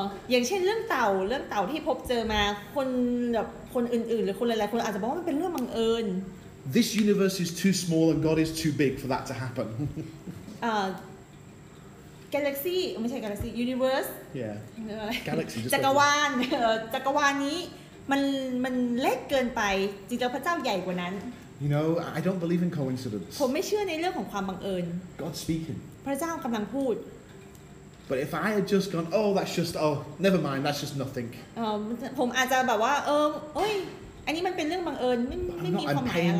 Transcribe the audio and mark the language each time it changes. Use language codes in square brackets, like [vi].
[th] อย่างเช่นเรื่องเต่าที่พบเจอมาคนอื่นๆหรือคนหลายๆคนอาจจะบอกว่ามันเป็นเรื่องบังเอิญ [en] This universe is too small and God is too big for that to happen. Galaxy [th] ไม่ใช่ [en] galaxy universe yeah galaxy [th] จักรวาลจักรวาลนี้มันเล็กเกินไปจริงๆแล้วพระเจ้าใหญ่กว่านั้น [en] you know I don't believe in coincidence [th] ผมไม่เชื่อในเรื่องของความบังเอิญ [en] God speaking [th] พระเจ้ากำลังพูด [en] but if I had just gone oh that's just oh never mind that's just nothing [th] ผมอาจจะแบบว่าเออโอ้ยอันนี้มันเป็นเรื่องบังเอิญไม่มีความหมายอะไร